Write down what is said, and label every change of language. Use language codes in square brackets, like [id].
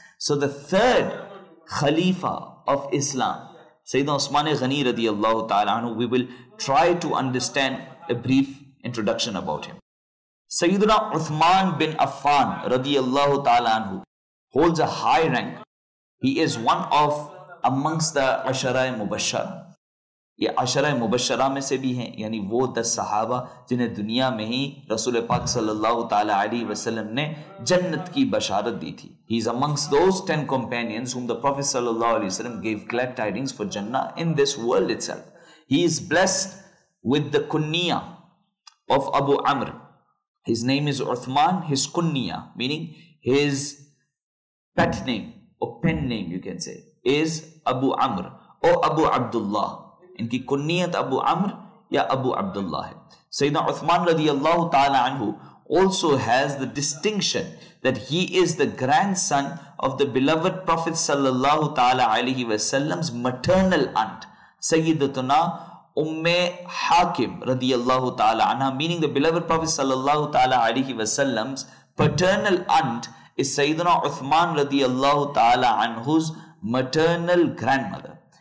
[en] So the third Khalifa of Islam, Sayyidina Uthman Ghani radiallahu ta'ala anhu, we will try to understand a brief introduction about him. Sayyidina Uthman bin Affan radiallahu ta'ala anhu holds a high rank. He is one of amongst the Ashara-e Mubashshara. [ur] یہ عشرہ مبشرہ میں سے بھی ہیں, یعنی وہ 10 صحابہ جنہیں دنیا میں ہی رسول پاک صلی اللہ علیہ وسلم نے جنت کی بشارت دی تھی. [en] He is amongst those 10 companions whom the Prophet صلی اللہ علیہ وسلم gave glad tidings for Jannah in this world itself. He is blessed with the kunniya of Abu Amr. His name is Uthman, his kunniya, meaning his pet name or pen name you can say, is Abu Amr or Abu Abdullah. [ur] ان کی کنیت ابو عمر یا ابو عبداللہ ہے. [en] سیدنا عثمان رضی اللہ تعالی عنہ also has the distinction that he is the grandson of the beloved Prophet صلی اللہ علیہ وسلم's maternal aunt سیدتنا Umme Hakim radiyallahu ta'ala anha, meaning the beloved Prophet sallallahu ta'ala alayhi wa sallam's paternal aunt is Sayyidina Uthman radiyallahu ta'ala anhu's maternal grandmother.